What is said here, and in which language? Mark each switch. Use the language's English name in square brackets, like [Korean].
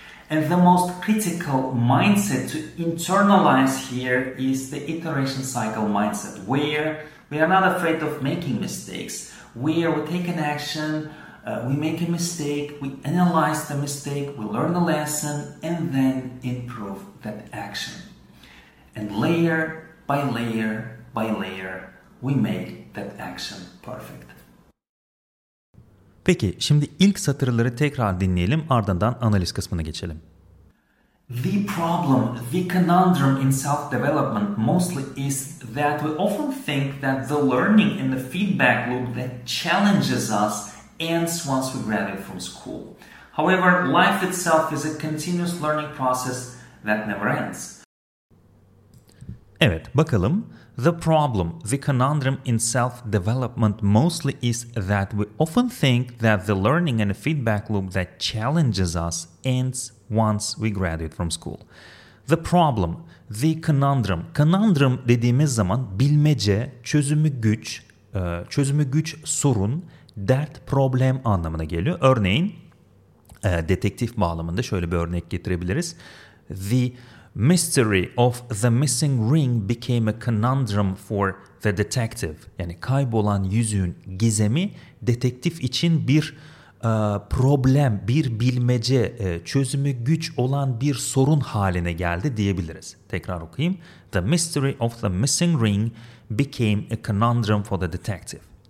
[English] And the most critical mindset to internalize here is the iteration cycle mindset, where we are not afraid of making mistakes, where we take an action, we make a mistake, we analyze the mistake, we learn the lesson, and then improve that action. And layer by layer by layer, we make that action perfect. [Turkish] Peki, şimdi ilk satırları tekrar dinleyelim, ardından analiz kısmına geçelim. [English] The problem, the conundrum in self-development mostly is that we often think that the learning and the feedback loop that challenges us ends once we graduate from school. However, life itself is a continuous learning process that never ends. [Turkish] Evet, bakalım. [English] The problem, the conundrum in self-development mostly is that we often think that the learning and the feedback loop that challenges us ends once we graduate from school. The problem, the conundrum. [Turkish] Conundrum dediğimiz zaman bilmece, çözümü güç sorun, dert, problem anlamına geliyor. Örneğin, detektif bağlamında şöyle bir örnek getirebiliriz. [English] The mystery of the missing ring became a conundrum for the detective. [Turkish] Yani kaybolan yüzüğün gizemi detektif için bir problem, bir bilmece, çözümü güç olan bir sorun haline geldi diyebiliriz. Tekrar okuyayım. [English] The mystery of the missing ring became a conundrum for the detective.